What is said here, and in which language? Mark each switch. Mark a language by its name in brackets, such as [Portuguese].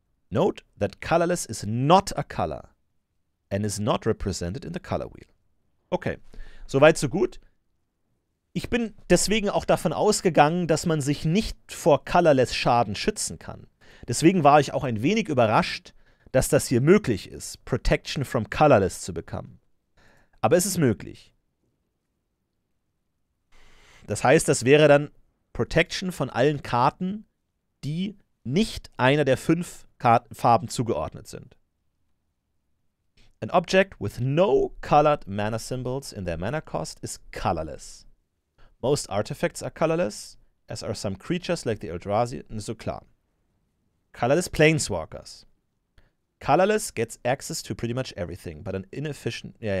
[English] Note that colorless is not a color and is not represented in the color wheel. [German] Okay, soweit so gut. Ich bin deswegen auch davon ausgegangen, dass man sich nicht vor colorless Schaden schützen kann. Deswegen war ich auch ein wenig überrascht, dass das hier möglich ist, Protection from colorless zu bekommen. Aber es ist möglich. Das heißt, das wäre dann Protection von allen Karten, die nicht einer der fünf Farben zugeordnet sind. [English] An object with no colored mana symbols in their mana cost is colorless. Most artifacts are colorless, as are some creatures like the Eldrazi, [German] und so klar. [English] Colorless Planeswalkers. Colorless gets access to pretty much everything, but an inefficient...